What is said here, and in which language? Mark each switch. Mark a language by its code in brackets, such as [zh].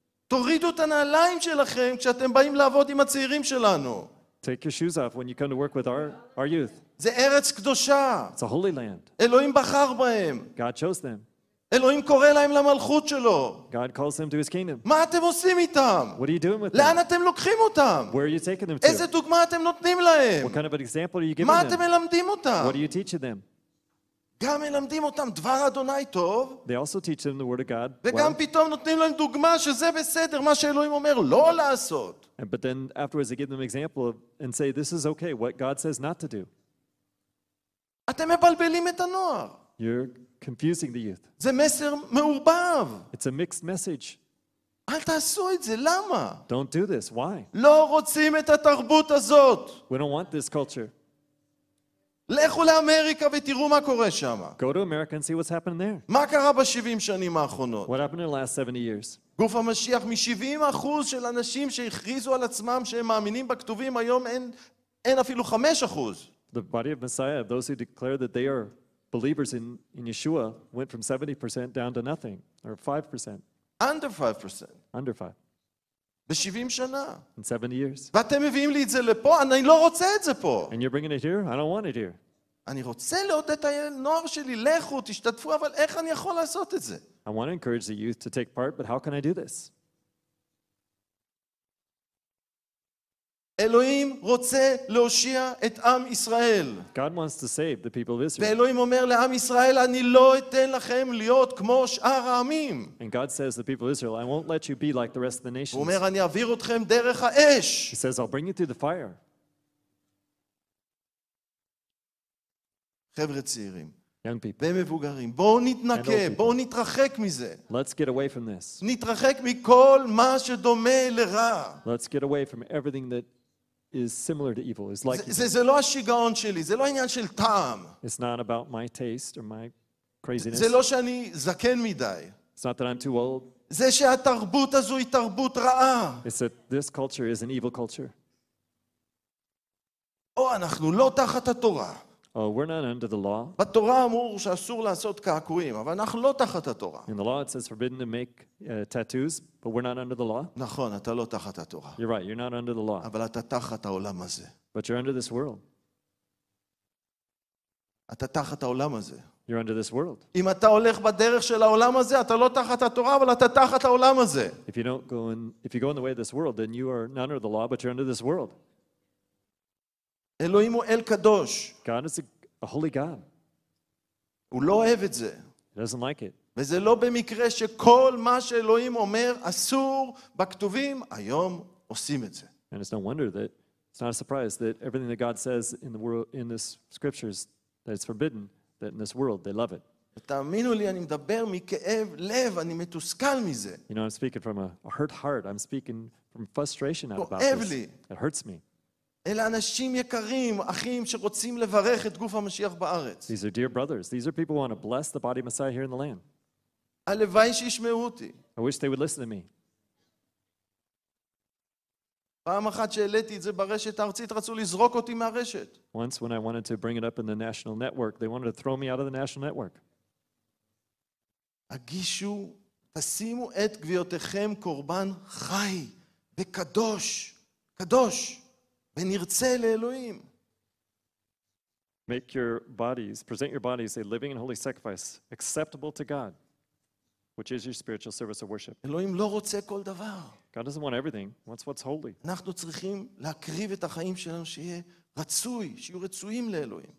[he] תורידו את הנעליים שלכם כשאתם באים לעבוד עם הצעירים שלנו. [en] Take your shoes off when you come to work with our youth. [he] זה ארץ קדושה. [en] It's a holy land. [he] אלוהים בחר בהם. [en] God chose them. [he] אלוהים קורא להם למלכות שלו. [en] God calls them to his kingdom. [he] מה אתם עושים איתם? [en] What are you doing with them? [he] לאן אתם לוקחים אותם? [en] Where are you taking them to? [he] איזה דוגמה אתם נותנים להם? [en] What kind of an example are you giving them? [he] מה אתם מלמדים אותם? [en] What are you teaching them? [he] גם מלמדים אותם דבר אדוני טוב. [en] They also teach them the word of God. [he] וגם פתאום נותנים להם דוגמה שזה בסדר מה שאלוהים אומר לא לעשות. [en] But then afterwards they give them an example and say this is okay what God says not to do. [he] אתם מבלבלים את הנוער. [en] You're confusing the youth. [he] זה מסר מעורבב. [en] It's a mixed message. [he] אל תעשו את זה, למה? [en] Don't do this, why? [he] לא רוצים את התרבות הזאת. [en] We don't want this culture. [he] לכו לאמריקה ותראו מה קורה שם. [en] Go to America and see what's happening there. [he] מה קרה ב-70 שנים האחרונות? [en] What happened in the last 70 years? [he] גוף המשיח מ-70% של אנשים שהכריזו על עצמם שהם מאמינים בכתובים היום אין אפילו 5%. [en] The body of Messiah, those who declare that they are believers in Yeshua, went from 70% down to nothing, or 5%. Under 5%. Under 5. [he] ב-70 שנה. [en] In 70 years. [he] ואתם מביאים לי את זה לפה, אני לא רוצה את זה פה. [en] And you're bringing it here? I don't want it here. [he] אני רוצה לעודד את הנוער שלי, לכו, תשתתפו, אבל איך אני יכול לעשות את זה? [en] I want to encourage the youth to take part, but how can I do this? [he] אלוהים רוצה להושיע את עם ישראל. [en] God wants to save the people of Israel. [he] ואלוהים אומר לעם ישראל, אני לא אתן לכם להיות כמו שאר העמים. [en] And God says to the people of Israel, I won't let you be like the rest of the nations. [he] הוא אומר, אני אעביר אתכם דרך האש. [en] He says, I'll bring you through the fire. [he] חבר'ה צעירים. [en] Young people. [he] ומבוגרים. בואו נתנקה, בואו נתרחק מזה. [en] Let's get away from this. [he] נתרחק מכל מה שדומה לרע. [en] Let's get away from everything that is similar to evil. It's like [he] זה לא השיגעון שלי, זה לא עניין של טעם. [en] It's not about my taste or my craziness. [he] זה לא שאני זקן מדי. [en] It's not that I'm too old. [he] זה שהתרבות הזו היא תרבות רעה. [en] It's that this culture is an evil culture. [he] או אנחנו לא תחת התורה. [en] Oh, we're not under the law. [he] בתורה אמור שאסור לעשות קעקועים, אבל אנחנו לא תחת התורה. [en] In the law it says forbidden to make tattoos, but we're not under the law. [he] נכון, אתה לא תחת התורה. [en] You're right, you're not under the law. [he] אבל אתה תחת העולם הזה. [en] But you're under this world. [he] אתה תחת העולם הזה. [en] You're under this world. [he] אם אתה הולך בדרך של העולם הזה, אתה לא תחת התורה, אבל אתה תחת העולם הזה. [en] If you go in the way of this world, then you are not under the law, but you're under this world. [he] אלוהים הוא אל קדוש. [en] God is a holy God. [he] הוא לא אוהב את זה. [en] He doesn't like it. [he] וזה לא במקרה שכל מה שאלוהים אומר אסור בכתובים, היום עושים את זה. [en] And it's no wonder that, it's not a surprise that everything that God says in the world, in this scriptures, that it's forbidden, that in this world they love it. [he] תאמינו לי, אני מדבר מכאב לב, אני מתוסכל מזה. [en] You know, I'm speaking from a hurt heart. I'm speaking from frustration about this. [he] כואב לי. [en] It hurts me. [he] אלה אנשים יקרים, אחים שרוצים לברך את גוף המשיח בארץ. [en] These are dear brothers. These are people who want to bless the body of Messiah here in the land. [he] הלוואי שישמעו אותי. [en] I wish they would listen to me. [he] פעם אחת שהעליתי את זה ברשת הארצית, רצו לזרוק אותי מהרשת. [en] Once when I wanted to bring it up in the national network, they wanted to throw me out of the national network. [he] הגישו, תשימו את גוויותיכם קורבן חי וקדוש, קדוש. ונרצה לאלוהים. [en] Make your bodies, present your bodies a living and holy sacrifice acceptable to God, which is your spiritual service of worship. [he] אלוהים לא רוצה כל דבר. [en] God doesn't want everything. He wants what's holy. [he] אנחנו צריכים להקריב את החיים שלנו שיהיה רצוי, שיהיו רצויים לאלוהים.